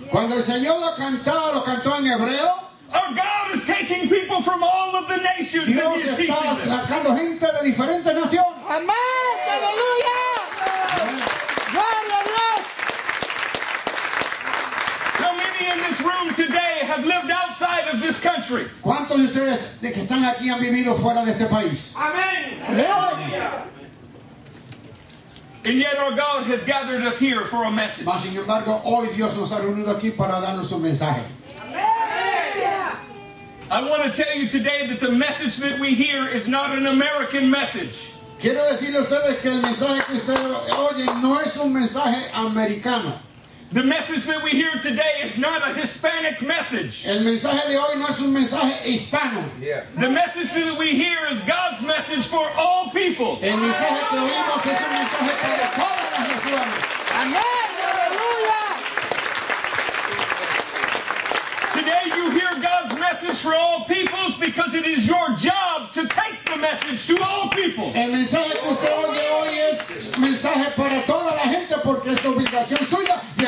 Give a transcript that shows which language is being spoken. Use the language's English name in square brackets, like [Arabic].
[Spanish] Cuando el Señor lo cantaba, lo cantó en hebreo. [English] Our God is taking people from all of the nations. [Spanish] Dios [English] and he's [Spanish] está [English] teaching [Spanish] sacando [English] them. [Spanish] Gente de diferentes naciones. Amén. Aleluya. Gloria a Dios. [English] How many in this room today have lived outside of this country? [Spanish] ¿Cuántos de ustedes de que están aquí han vivido fuera de este país? Amén. Gloria. [English] And yet our God has gathered us here for a message. [Spanish] Mas sin embargo, hoy Dios nos ha reunido aquí para darnos un mensaje. [English] I want to tell you today that the message that we hear is not an American message. [Spanish] Quiero decirle a ustedes que el mensaje que ustedes oyen no es un mensaje americano. [English] The message that we hear today is not a Hispanic message. [Spanish] El mensaje de hoy no es un mensaje hispano. [English] Yes. The message that we hear is God's message for all peoples. [Spanish] El mensaje que oímos es un mensaje para todas las naciones. Amén. Aleluya. [English] Today you hear God's message for all peoples because it is your job to take the message to all peoples. [Spanish] El mensaje que usted oye hoy es mensaje para toda la gente porque es obligación suya.